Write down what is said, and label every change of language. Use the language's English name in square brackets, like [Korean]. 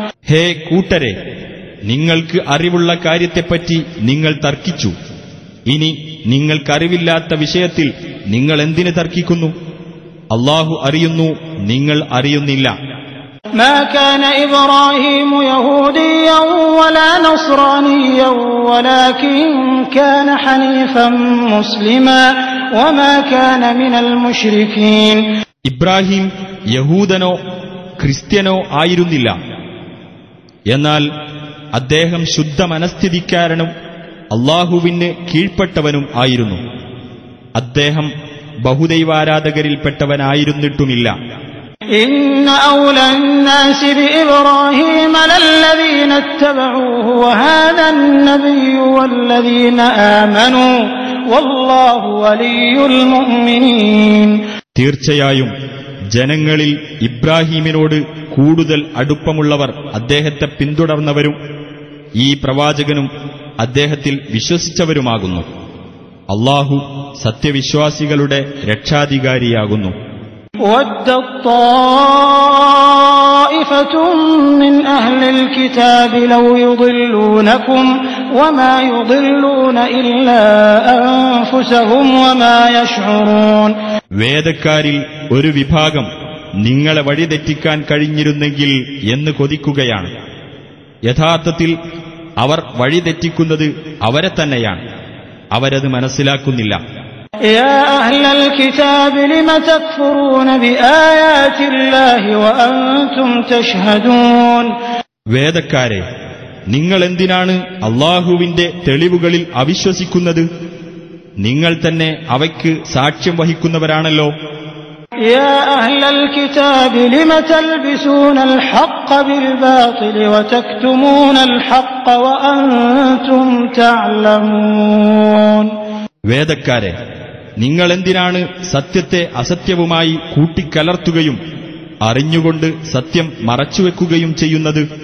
[Malayalam] ഹേ കൂട്ടരെ, നിങ്ങൾക്ക് അറിവുള്ള കാര്യത്തെപ്പറ്റി നിങ്ങൾ തർക്കിച്ചു. ഇനി നിങ്ങൾക്കറിവില്ലാത്ത വിഷയത്തിൽ നിങ്ങൾ എന്തിന് തർക്കിക്കുന്നു? അല്ലാഹു അറിയുന്നു, നിങ്ങൾ അറിയുന്നില്ല. [Arabic] ما كان إبراهيم يهوديا ولا نصرانيا ولكن كان حنيفا مسلما وما كان من المشركين. [Malayalam] إبراهيم يهودنو كريستيانو ആയിരുന്നില്ല. എന്നാൽ അദ്ദേഹം ശുദ്ധ മനസ്ഥിതിക്കാരനും അല്ലാഹുവിനെ കീഴ്പ്പെട്ടവനും ആയിരുന്നു. അദ്ദേഹം ബഹുദൈവാരാധകരിൽ പെട്ടവനായിരുന്നിട്ടുമില്ല. [Arabic] إن أولى الناس بإبراهيم للذين اتبعوه وهذا النبي والذين آمنوا والله ولي المؤمنين. [Malayalam] തീർച്ചയായും ജനങ്ങളിൽ ഇബ്രാഹിമിനോട് കൂടുതൽ അടുപ്പമുള്ളവർ അദ്ദേഹത്തെ പിന്തുടർന്നവരും ഈ പ്രവാചകനും അദ്ദേഹത്തിൽ വിശ്വസിച്ചവരുമാകുന്നു. അല്ലാഹു സത്യവിശ്വാസികളുടെ രക്ഷാധികാരിയാകുന്നു. [Arabic] وَدَّتْ طَائِفَةٌ مِنْ أَهْلِ الْكِتَابِ لَوْ يُضِلُّونَكُمْ وَمَا يُضِلُّونَ إِلَّا أَنْفُسَهُمْ وَمَا يَشْعُرُونَ. [Malayalam] വേദക്കാരിൽ ഒരു വിഭാഗം നിങ്ങളെ വഴിതെറ്റിക്കാൻ കഴിഞ്ഞിരുന്നെങ്കിൽ എന്ന് കൊതിക്കുകയാണ്. യഥാർത്ഥത്തിൽ അവർ വഴിതെറ്റിക്കുന്നത് അവരെ തന്നെയാണ്. അവരത് മനസ്സിലാക്കുന്നില്ല. [Arabic] يا اهل الكتاب لما تكفرون بايات الله وانتم تشهدون. [Malayalam] വേദക്കാരെ, നിങ്ങൾ എന്തിനാണ് അല്ലാഹുവിന്റെ തെളിവുകളിൽ അവിശ്വസിക്കുന്നത്? നിങ്ങൾ തന്നെ അവയ്ക്ക് സാക്ഷ്യം വഹിക്കുന്നവരാണല്ലോ. [Arabic] يا اهل الكتاب لما تلبسون الحق بالباطل وتكتمون الحق وانتم تعلمون. [Malayalam] വേദക്കാരെ, നിങ്ങളെന്തിനാണ് സത്യത്തെ അസത്യവുമായി കൂട്ടിക്കലർത്തുകയും അറിഞ്ഞുകൊണ്ട് സത്യം മറച്ചുവെക്കുകയും ചെയ്യുന്നത്?